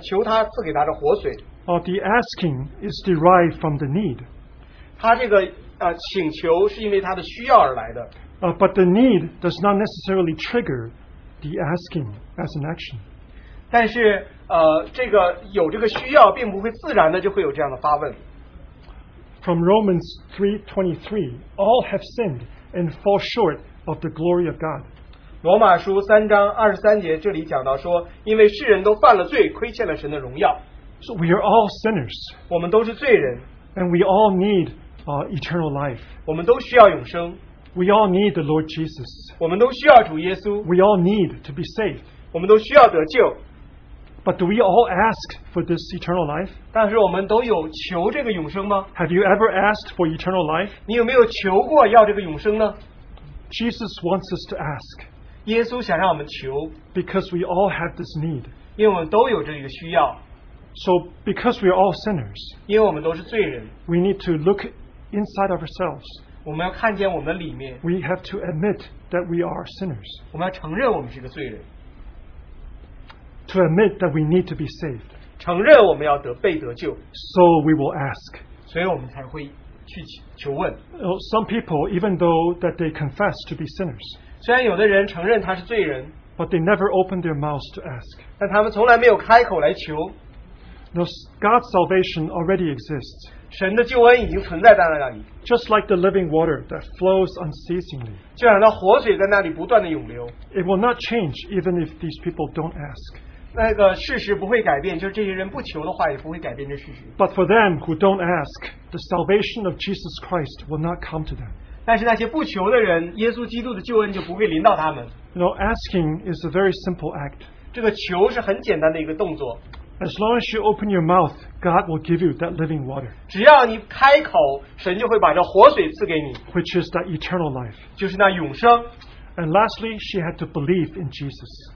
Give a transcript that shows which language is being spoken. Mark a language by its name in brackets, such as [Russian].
[Chinese] 第二点，她要问他来，求他赐给他的活水。 [English] The asking is derived from the need. [Chinese] 他这个请求是因为他的需要而来的。 [English] But the need does not necessarily trigger the asking as an action. [Chinese] 但是有这个需要并不会自然的就会有这样的发问。 [English] From Romans 3:23, all have sinned and fall short of the glory of God. [Chinese] 罗马书3章23节这里讲到说，因为世人都犯了罪，亏欠了神的荣耀。 [English] So we are all sinners. [Chinese] 我们都是罪人, [English] and we all need eternal life. [Chinese] 我们都需要永生, [English] we all need the Lord Jesus. [Chinese] 我们都需要主耶稣, [English] we all need to be saved. [Chinese] 我们都需要得救, [English] but do we all ask for this eternal life? [Chinese] 但是我们都有求这个永生吗? [English] Have you ever asked for eternal life? [Chinese] 你有没有求过要这个永生呢? [English] Jesus wants us to ask. [Chinese] 耶稣想让我们求, [English] because we all have this need. [Chinese] 因为我们都有这个需要。 [English] So, because we are all sinners, [Chinese] 因为我们都是罪人, [English] we need to look inside of ourselves. [Chinese] 我们要看见我们里面, [English] we have to admit that we are sinners. [Chinese] 我们要承认我们是个罪人, [English] to admit that we need to be saved. [Chinese] 承认我们要得被得救, [English] so, we will ask. [Chinese] 所以我们才会去求问。 [English] Some people, even though that they confess to be sinners, [Chinese] 虽然有的人承认他是罪人, [English] but they never open their mouths to ask. [Chinese] 但他们从来没有开口来求。 [English] No, God's salvation already exists. [Chinese] 神的救恩已经存在在那里。 [English] Just like the living water that flows unceasingly. [Chinese] 就像那活水在那里不断地涌流。 [English] It will not change even if these people don't ask. [Chinese] 那个事实不会改变, 就是这些人不求的话也不会改变这事实。 [English] But for them who don't ask, the salvation of Jesus Christ will not come to them. [Chinese] 但是那些不求的人, 耶稣基督的救恩就不会临到他们。 [English] You know, asking is a very simple act. [Chinese] 这个求是很简单的一个动作。 [English] As long as you open your mouth, God will give you that living water. [Chinese] 只要你开口, 神就会把这活水赐给你, [English] which is that eternal life. [Chinese] 就是那永生。 [English] And lastly, she had to believe in Jesus.